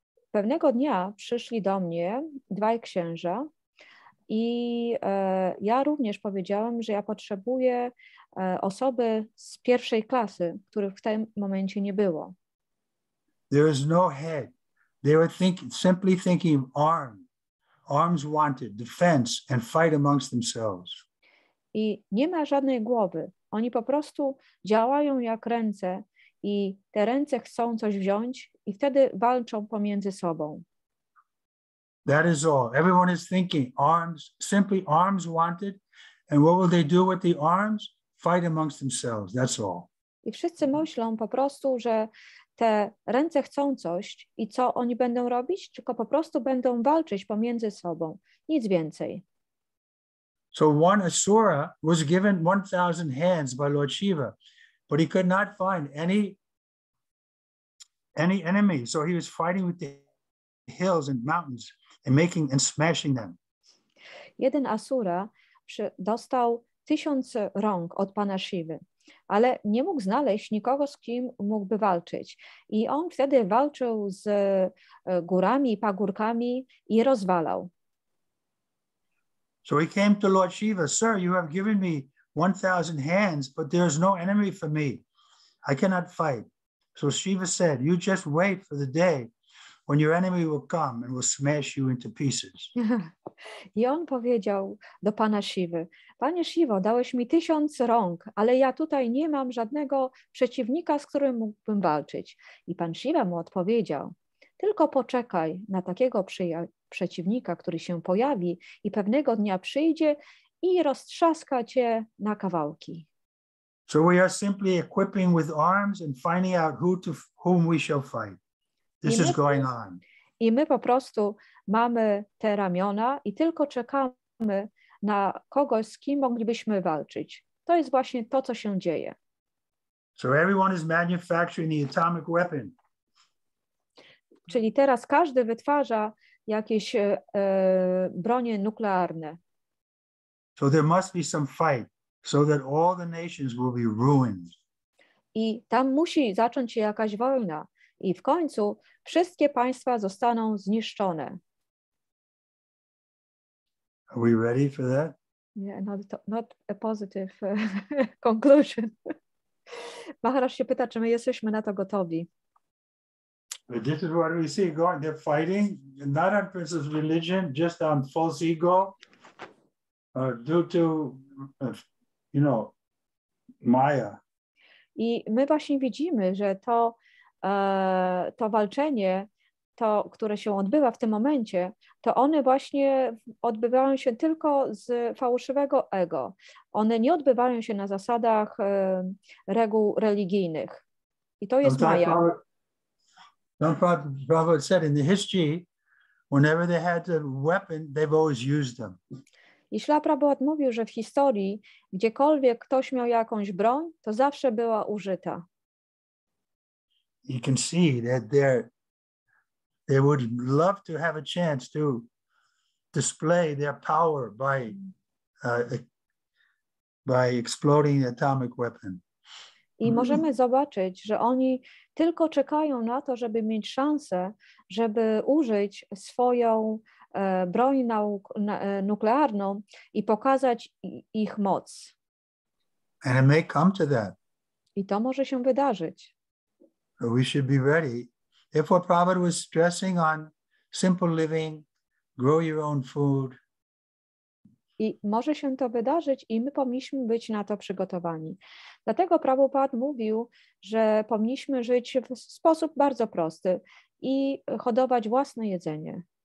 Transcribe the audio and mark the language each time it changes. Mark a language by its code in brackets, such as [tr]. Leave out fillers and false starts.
[pl] Pewnego dnia przyszli do mnie dwaj księża i ja również powiedziałam, że ja potrzebuję osoby z pierwszej klasy, których w tym momencie nie było. [en] There is no head. They were simply thinking arms wanted, defense and fight amongst themselves. [pl] I nie ma żadnej głowy. Oni po prostu działają jak ręce i te ręce chcą coś wziąć i wtedy walczą pomiędzy sobą. [en] That is all. Everyone is thinking arms, simply arms wanted. And what will they do with the arms? Fight amongst themselves. That's all. [pl] I wszyscy myślą po prostu, że te ręce chcą coś i co oni będą robić? Tylko po prostu będą walczyć pomiędzy sobą. Nic więcej. [en] So one asura was given 1,000 hands by Lord Shiva. But he could not find any enemy, so he was fighting with the hills and mountains and making and smashing them. [pl] Jeden asura dostał 1000 rąk od pana Shivy, ale nie mógł znaleźć nikogo, z kim mógłby walczyć. I on wtedy walczył z górami, pagórkami i rozwalał. [en] So he came to Lord Shiva, sir, you have given me 1,000 hands, but there is no enemy for me. I cannot fight. So Shiva said, you just wait for the day when your enemy will come and will smash you into pieces. [pl] I on powiedział do pana Shivy, panie Shiva, dałeś mi 1000 rąk, ale ja tutaj nie mam żadnego przeciwnika, z którym mógłbym walczyć. I pan Shiva mu odpowiedział, tylko poczekaj na takiego przeciwnika, który się pojawi i pewnego dnia przyjdzie i roztrzaska cię na kawałki. [en] So we are simply equipping with arms and finding out whom we shall fight. This is going on. [pl] I my po prostu mamy te ramiona i tylko czekamy na kogoś, z kim moglibyśmy walczyć. To jest właśnie to, co się dzieje. [en] So everyone is manufacturing the atomic weapon. [pl] Czyli teraz każdy wytwarza jakieś bronie nuklearne. [en] So there must be some fight, so that all the nations will be ruined. [pl] I tam musi zacząć się jakaś wojna i w końcu wszystkie państwa zostaną zniszczone. [en] Are we ready for that? Yeah, not a positive conclusion. [pl] Maharaj się pyta, czy my jesteśmy na to gotowi. [en] This is what we see going. They're fighting, not on principles of religion, just on false ego, due to, you know, Maya. [pl] I my właśnie widzimy, że to, to walczenie, to, które się odbywa w tym momencie, to one właśnie odbywają się tylko z fałszywego ego. One nie odbywają się na zasadach reguł religijnych. I to jest Maya. [en] Prabhupada said in the history, whenever they had a weapon, they've always used them. [pl] I Śla Prabhupada mówił, że w historii, gdziekolwiek ktoś miał jakąś broń, to zawsze była użyta. [en] You can see that they would love to have a chance to display their power by exploding atomic weapon. [pl] I możemy zobaczyć, że oni tylko czekają na to, żeby mieć szansę, żeby użyć swoją broń nuklearną i pokazać ich moc. [en] And it may come to that. [pl] I to może się wydarzyć. [en] But we should be ready. If what Prabhupada was stressing on simple living, grow your own food. [pl] I może się to wydarzyć i my powinniśmy być na to przygotowani. Dlatego Prabhupada mówił, że powinniśmy żyć w sposób bardzo prosty i hodować własne jedzenie.